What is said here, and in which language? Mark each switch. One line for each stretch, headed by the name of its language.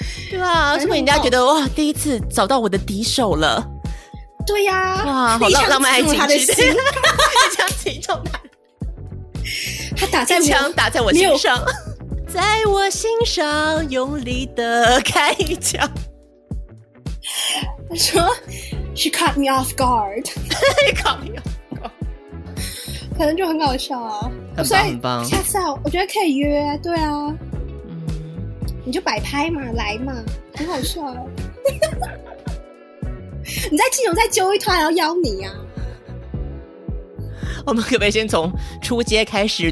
Chinese: 对啊，是不是人家觉得哇，第一次找到我的敌手了？对呀、啊，哇，好浪漫爱情剧，一枪击中他，他打在我，一枪打在我心上。在我心上用力的开一枪，他说
English: She caught me off guard. She caught me off guard.
Chinese: 可能就很搞笑啊，很棒很棒。下次我觉得可以约，对啊，你就摆拍嘛，来嘛，很好笑啊。你在青龙再揪一团，要邀你啊。我们可不可以先从出街开始？